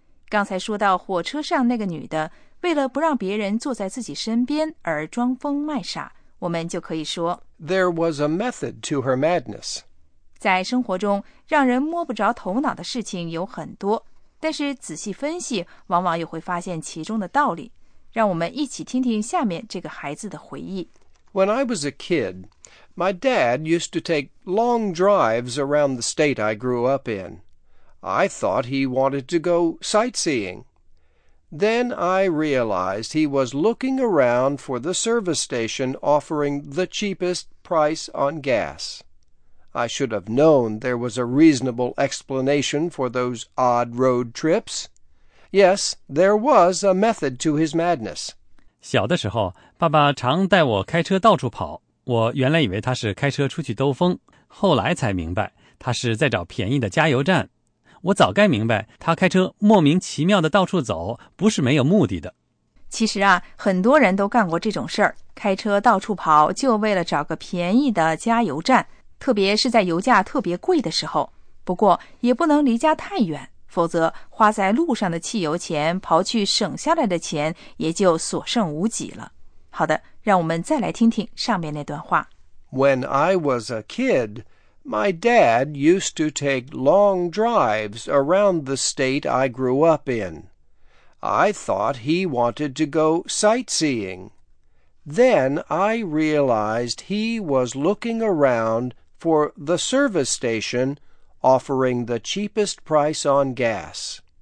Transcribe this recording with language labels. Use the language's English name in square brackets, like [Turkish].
[Chinese] 刚才说到火车上那个女的，为了不让别人坐在自己身边而装疯卖傻，我们就可以说 [English] There was a method to her madness。 [Chinese] 在生活中，让人摸不着头脑的事情有很多，但是仔细分析，往往又会发现其中的道理。让我们一起听听下面这个孩子的回忆。 [English] When I was a kid, my dad used to take long drives around the state I grew up in. I thought he wanted to go sightseeing. Then I realized he was looking around for the service station offering the cheapest price on gas. I should have known there was a reasonable explanation for those odd road trips. Yes, there was a method to his madness. [Chinese] 小的时候，爸爸常带我开车到处跑。我原来以为他是开车出去兜风，后来才明白他是在找便宜的加油站。我早该明白他开车莫名其妙的到处走不是没有目的的。其实啊，很多人都干过这种事儿，开车到处跑就为了找个便宜的加油站，特别是在油价特别贵的时候。不过也不能离家太远，否则花在路上的汽油钱刨去省下来的钱也就所剩无几了。好的，让我们再来听听上面那段话。 [English] When I was a kid, my dad used to take long drives around the state I grew up in. I thought he wanted to go sightseeing. Then I realized he was looking around for the service station offering the cheapest price on gas.